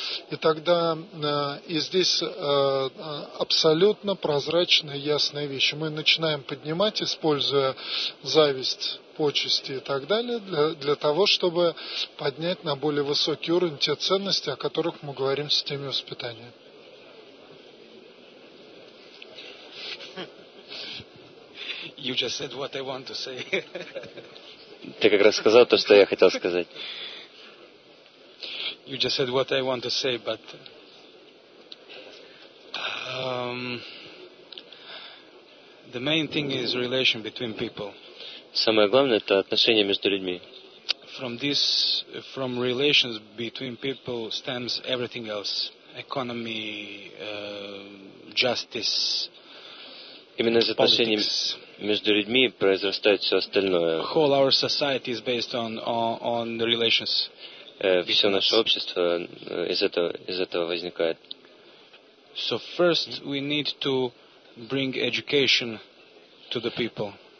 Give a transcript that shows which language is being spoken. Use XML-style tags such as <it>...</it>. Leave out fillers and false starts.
<ru>И тогда и здесь абсолютно прозрачная, ясная вещь. Мы начинаем поднимать, используя зависть, почести и так далее, для того, чтобы поднять на более высокий уровень те ценности, о которых мы говорим в системе воспитания.</ru> <en>You just said what I want to say.</en> <ru>Ты как раз сказал то, что я хотел сказать.</ru> <en>You just said what I want to say, but the main thing is relation between people.</en> <ru>Самое главное — это отношения между людьми.</ru> <en>From relations between people stems everything else: economy, justice.</en> <ru>Именно из отношений между людьми произрастает все остальное.</ru> <en>Whole our society is based on relations.</en> <ru>Все наше общество из этого возникает.</ru> <en>So first we need to bring education to the people.</en>